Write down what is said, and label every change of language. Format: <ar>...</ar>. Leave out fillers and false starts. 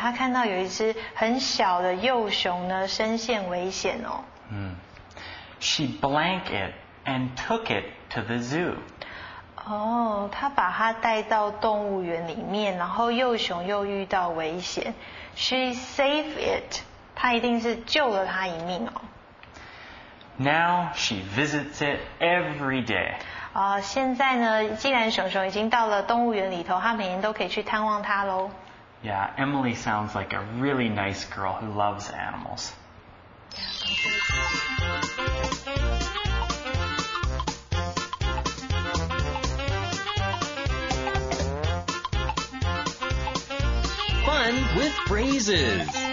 <zh>她看到有一只很小的幼熊呢深陷危险哦。</zh> <en>She blank it and took it to the zoo.</en> <zh>她把它带到动物园里面然后幼熊又遇到危险。</zh> <en>She saved it.</en> <zh>她一定是救了它一命哦。</zh> <en>Now she visits it every day.</en> <zh>现在呢，既然熊熊已经到了动物园里头，他每年都可以去探望他喽。</zh> <en>Yeah, Emily sounds like a really nice girl who loves animals. Fun with phrases.</en>